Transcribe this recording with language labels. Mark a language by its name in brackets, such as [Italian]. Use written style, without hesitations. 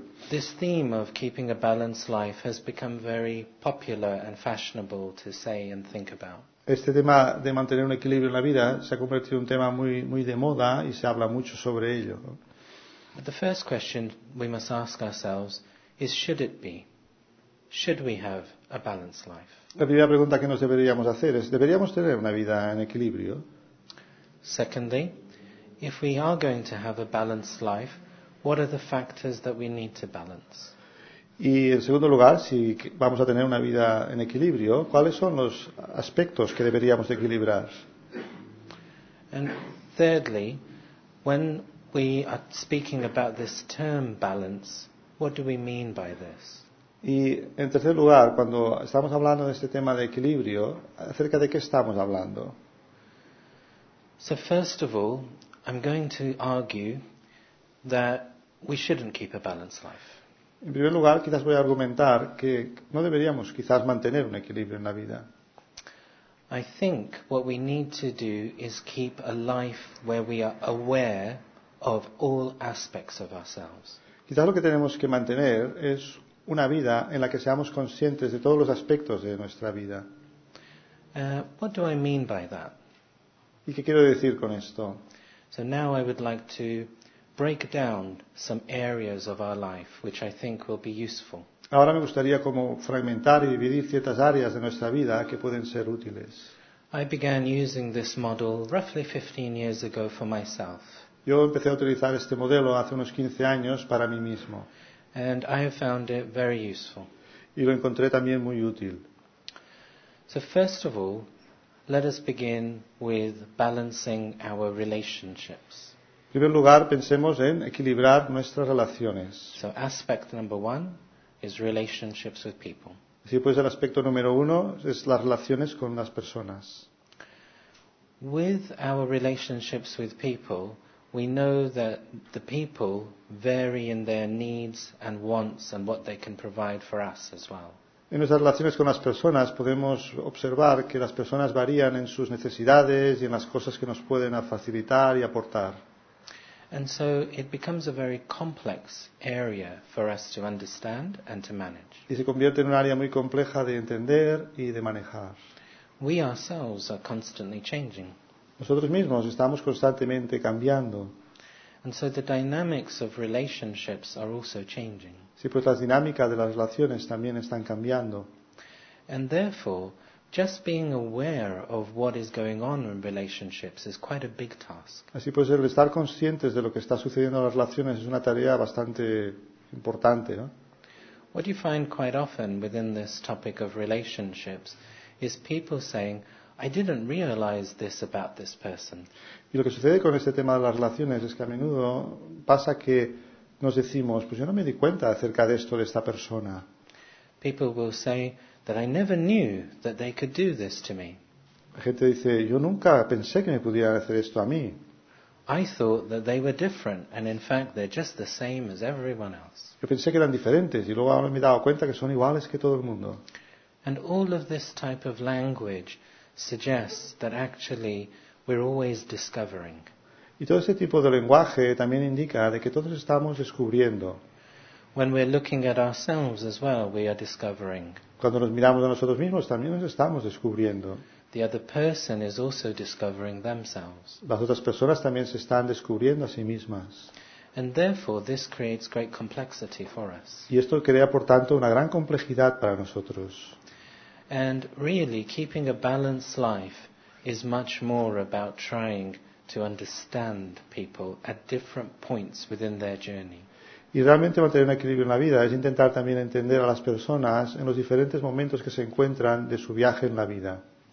[English] This theme of keeping a balanced life has become very popular and fashionable to say and think about. [Spanish] Este tema de mantener un equilibrio en la vida se ha convertido en un tema muy de moda y se habla mucho sobre ello. [English] But the first question we must ask ourselves is, should it be? Should we have a balanced life? [Spanish] La primera pregunta que nos deberíamos hacer es, ¿deberíamos tener una vida en equilibrio? [English] Secondly, if we are going to have a balanced life, what are the factors that we need to balance? [Spanish] Y en segundo lugar, si vamos a tener una vida en equilibrio, ¿cuáles son los aspectos que deberíamos de equilibrar? [English] And thirdly, when we are speaking about this term balance, what do we mean by this? [Spanish] Y en tercer lugar, cuando estamos hablando de este tema de equilibrio, ¿acerca de qué estamos hablando? [English] So first of all, I'm going to argue that we shouldn't keep a balanced life. [Spanish] En primer lugar, quizás voy a argumentar que no deberíamos quizás mantener un equilibrio en la vida. [English] I think what we need to do is keep a life where we are aware of all aspects of ourselves. [Spanish] Quizás lo que tenemos que mantener es una vida en la que seamos conscientes de todos los aspectos de nuestra vida. [English] What do I mean by that? [Spanish] ¿Y qué quiero decir con esto? [English] So now I would like to break down some areas of our life which I think will be useful. [Spanish] Ahora me gustaría como fragmentar y dividir ciertas áreas de nuestra vida que pueden ser útiles. [English] I began using this model roughly 15 years ago for myself. [Spanish] Yo empecé a utilizar este modelo hace unos 15 años para mí mismo. [English] And I have found it very useful. [Spanish] Y lo encontré también muy útil. [English] So first of all, let us begin with balancing our relationships. [Spanish] En primer lugar, pensemos en equilibrar nuestras relaciones. [English] So aspect number one is relationships with people. [Spanish] Así pues, el aspecto número uno es las relaciones con las personas. [English] With our relationships with people, we know that the people vary in their needs and wants and what they can provide for us as well. [Spanish] En nuestras relaciones con las personas podemos observar que las personas varían en sus necesidades y en las cosas que nos pueden facilitar y aportar. [English] And so it becomes a very complex area for us to understand and to manage. [Spanish] Y se convierte en un área muy compleja de entender y de manejar. [English] We ourselves are constantly changing. [Spanish] Nosotros mismos estamos constantemente cambiando. [English] And so the dynamics of relationships are also changing. [Spanish] Sí, pues las dinámicas de las relaciones también están cambiando. [English] And therefore, just being aware of what is going on in relationships is quite a big task. [Spanish] Así pues, el estar conscientes de lo que está sucediendo en las relaciones es una tarea bastante importante, ¿no? [English] What you find quite often within this topic of relationships is people saying, I didn't realize this about this person. [Spanish] Y lo que sucede con este tema de las relaciones es que a menudo pasa que nos decimos, pues yo no me di cuenta acerca de esto de esta persona. [English] People will say that I never knew that they could do this to me. [Spanish] La gente dice, yo nunca pensé que me pudieran hacer esto a mí. [English] I thought that they were different and in fact they're just the same as everyone else. [Spanish] Yo pensé que eran diferentes y luego ahora me he dado cuenta que son iguales que todo el mundo. [English] And all of this type of language suggests that actually we're always discovering. [Spanish] Y todo ese tipo de lenguaje también indica de que todos estamos descubriendo. [English] When we're looking at ourselves as well, we are discovering. [Spanish] Cuando nos miramos a nosotros mismos también nos estamos descubriendo. [English] The other person is also discovering themselves. [Spanish] Las otras personas también se están descubriendo a sí mismas. [English] And therefore this creates great complexity for us. [Spanish] Y esto crea por tanto una gran complejidad para nosotros. [English] And really, keeping a balanced life is much more about trying to understand people at different points within their journey. [Spanish] Y realmente mantener un equilibrio en la vida es intentar también entender a las personas en los diferentes momentos que se encuentran de su viaje en la vida.